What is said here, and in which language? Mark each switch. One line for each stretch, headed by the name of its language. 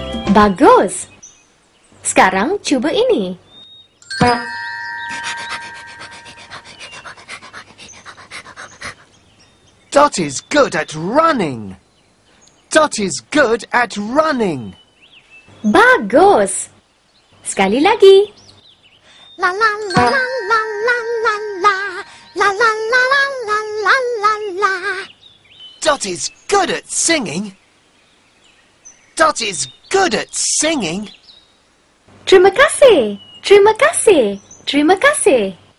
Malay: Bagus. Sekarang cuba ini.
English: Dottie's good at running. Dottie's good at running.
Malay: Bagus. Sekali lagi. La la la la la la la la la la la la la la la la.
English: Dottie's good at singing. Dottie's good at singing.
Malay: Terima kasih. Terima kasih. Terima kasih.